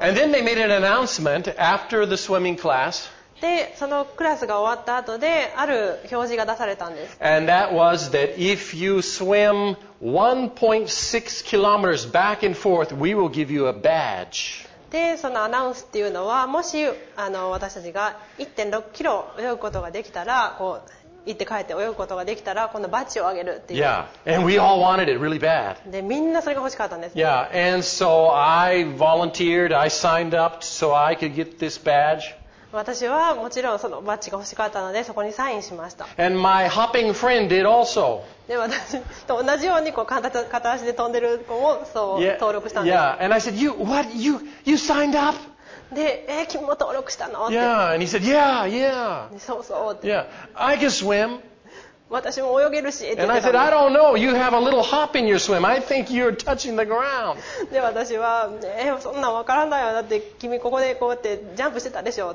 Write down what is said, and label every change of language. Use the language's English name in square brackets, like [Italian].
[English] Yeah, and then they made an announcement after the swimming class. [Japanese] でそのクラスが終わった後である表示が出されたんです。 [English] And that was that if you swim 1.6 kilometers back and forth, we will give you a badge. [Japanese] でそのアナウンスっていうのは、もし私たちが 1.6 キロ泳ぐことができたら、こう行って帰って泳ぐことができたら、このバッジをあげるっていう。 [English] Yeah, and we all wanted it really bad. [Japanese] でみんなそれが欲しかったんです、ね。 [English] Yeah, and so I volunteered, I signed up so I could get this badge. [Japanese] 私はもちろんそのバッジが欲しかったので、そこにサインしました。 [English] And my hopping friend did also. [Japanese] で私と同じようにこう片足で飛んでる子もそう登録したんです。 [English] Yeah, and I said, you, what, you signed up? [Japanese] で、君も登録したの? [English] Yeah, and he said, yeah, yeah. [Japanese] そうそう。 [English] Yeah, I can swim. [Japanese] 私も泳げるし。 [English] And I said, I don't know. You have a little hop in your swim. I think you're touching the ground. [Japanese] で、私は、そんなわからないよ。だって君ここでこうやってジャンプしてたでしょ。